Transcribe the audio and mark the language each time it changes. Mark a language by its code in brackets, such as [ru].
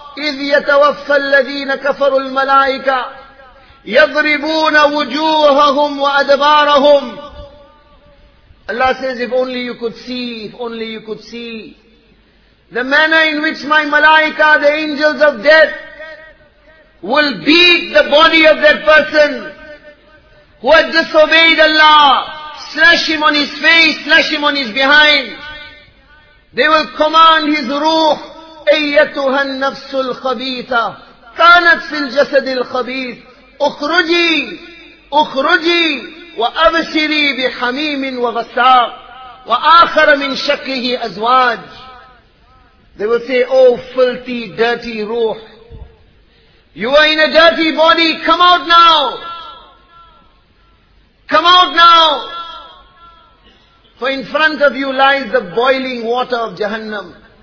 [ar] إذ يتوفى الذين كفروا الملائكة يضربون وجوههم وأدبارهم. [en] Allah says, if only you could see, if only you could see the manner in which my malaika, the angels of death, will beat the body of that person who had disobeyed Allah, slash him on his face, slash him on his behind. They will command his ruh, [ar] أَيَّتُهَا النَّفْسُ الْخَبِيثَةُ كَانَتْ فِي الْجَسَدِ الْخَبِيثِ أُخْرُجِي أُخْرُجِي وَأَبْسِرِي بِحَمِيمٍ وَغَسَّاقٍ وَآخَرَ مِنْ شَكِّهِ أَزْوَاجٍ. [en] They will say, oh filthy, dirty ruh, you are in a dirty body, come out now. Come out now. For in front of you lies the boiling water of Jahannam.